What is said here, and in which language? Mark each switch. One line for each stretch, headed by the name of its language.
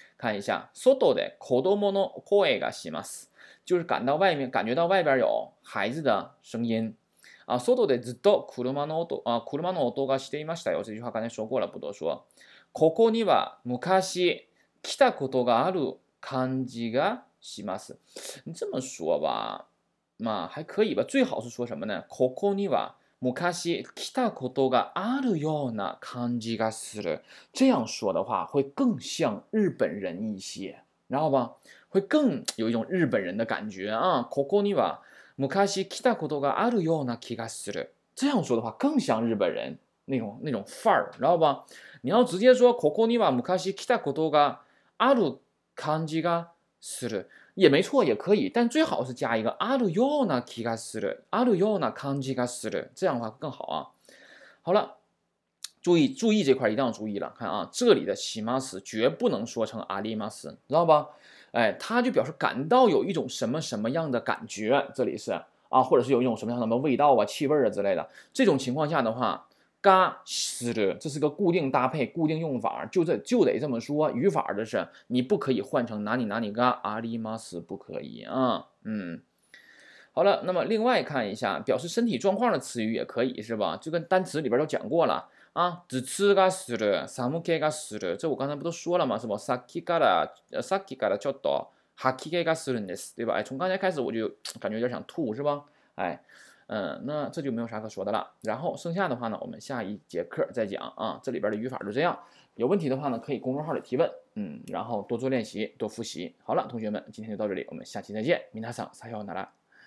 Chinese: 看一下
Japanese: 外で子供のコエがします，
Chinese: 就是感觉到外边有孩子的声音啊。
Japanese: 外でずっと車の音がしていましたよ，
Chinese: 这句话刚才说过了，不多说。
Japanese: ここには昔来たことがある感じがします。
Chinese: 你这么说吧，嘛还可以吧。最好是说什么呢？
Japanese: ここには昔来たことがあるような感じがする。
Chinese: 这样说的话会更像日本人一些，知道吧？会更有一种日本人的感觉啊。
Japanese: ここには昔来たことがあるような気がする。
Chinese: 这样说的话更像日本人那种范儿，知道吧？你要直接说
Japanese: ここには昔来たことがある感じがする
Chinese: 也没错，也可以，但最好是加一个
Japanese: あるような気がする，あるような感じがする，
Chinese: 这样的话更好啊。好了，注意这块一定要注意了，看啊，这里的します绝不能说成あります，知道吧？哎，它就表示感到有一种什么什么样的感觉，这里是啊，或者是有一种什么样的味道啊、气味啊之类的。这种情况下的话，がする，这是个固定搭配、固定用法，就得这么说语法，这是你不可以换成哪里哪里があります，不可以啊。好了，那么另外看一下表示身体状况的词语也可以是吧？就跟单词里边都讲过了啊，頭痛がする、寒気がする，这我刚才不都说了吗？是吧？
Japanese: さっきからちょっと吐き気がするんです，
Chinese: 对吧？哎，从刚才开始我就感觉有点想吐，是吧？哎。那这就没有啥可说的了，然后剩下的话呢我们下一节课再讲啊，这里边的语法就这样，有问题的话呢可以公众号里提问，然后多做练习多复习。好了，同学们，今天就到这里，我们下期再见。
Japanese: 皆さん、さようなら。